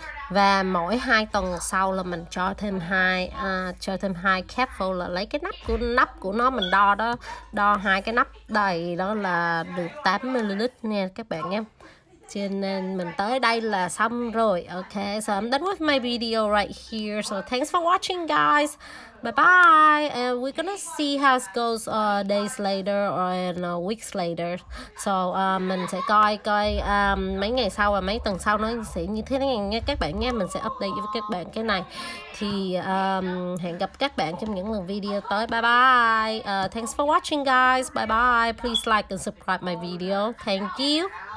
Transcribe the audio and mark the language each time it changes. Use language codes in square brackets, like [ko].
[vi] Và mỗi 2 tuần sau là mình cho thêm 2 capful, là lấy cái nắp của nó mình đo đó, đo 2 cái nắp đầy đó là được 8 ml nha các bạn nhé. Cho nên mình tới đây là xong rồi. [en] Okay, so I'm done with my video right here. So thanks for watching, guys. Bye bye. And we're gonna see how it goes days later or in weeks later. [vi] So mình sẽ coi mấy ngày sau và mấy tuần sau nó sẽ như thế này nha các bạn nha. Mình sẽ update với các bạn cái này. Thì hẹn gặp các bạn trong những lần video tới. [en] Bye bye. Thanks for watching, guys. Bye bye. Please like and subscribe my video. Thank you.